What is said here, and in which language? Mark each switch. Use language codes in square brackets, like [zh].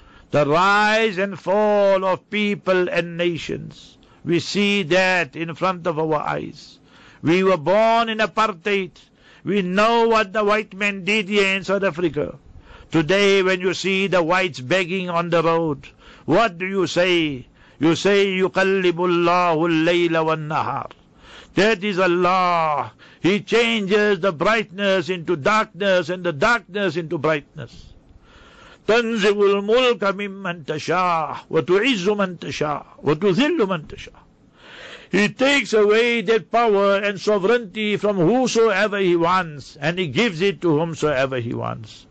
[en] The rise and fall of people and nations. We see that in front of our eyes. We were born in apartheid. We know what the white men did here in South Africa. Today when you see the whites begging on the road, what do you say? You say, [ar] يُقَلِّبُ اللَّهُ اللَّيْلَ وَالنَّهَارِ. [en] That is Allah. He changes the brightness into darkness and the darkness into brightness. [ar] تَنْزِغُ الْمُلْكَ مِمَّنْ تَشَاءُ وَتُعِزُّ مَنْ تَشَاءُ وَتُذِلُّ مَنْ تَشَاءُ. [en] He takes away that power and sovereignty from whosoever he wants, and he gives it to whomsoever he wants.